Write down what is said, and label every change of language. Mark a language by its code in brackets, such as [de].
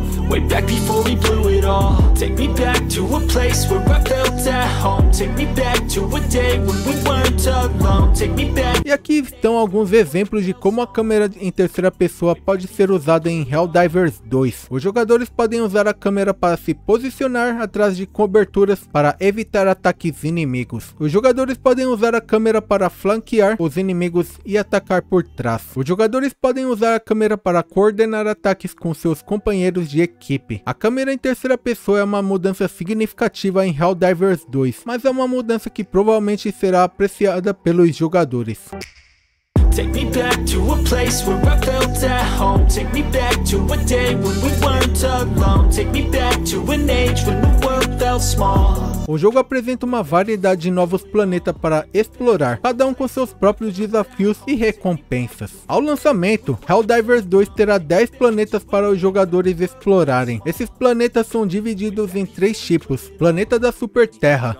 [en] Way back before we blew it all. Take me back to a place where I felt at home. Take me back to a day when we weren't alone. Take me back. [pt] E aqui estão alguns exemplos de como a câmera em terceira pessoa pode ser usada em Helldivers 2. Os jogadores podem usar a câmera para se posicionar atrás de coberturas para evitar ataques inimigos. Os jogadores podem usar a câmera para flanquear os inimigos e atacar por trás. Os jogadores podem usar a câmera para coordenar ataques com seus companheiros de equipe. A câmera em terceira pessoa é uma mudança significativa em Helldivers 2, mas é uma mudança que provavelmente será apreciada pelos jogadores. [en] Take me back to a place where I felt at home. Take me back to a day when we weren't alone. Take me back to an age when the world felt small. [pt] O jogo apresenta uma variedade de novos planetas para explorar, cada um com seus próprios desafios e recompensas. Ao lançamento, Helldivers 2 terá 10 planetas para os jogadores explorarem. Esses planetas são divididos em 3 tipos. Planeta da Super Terra.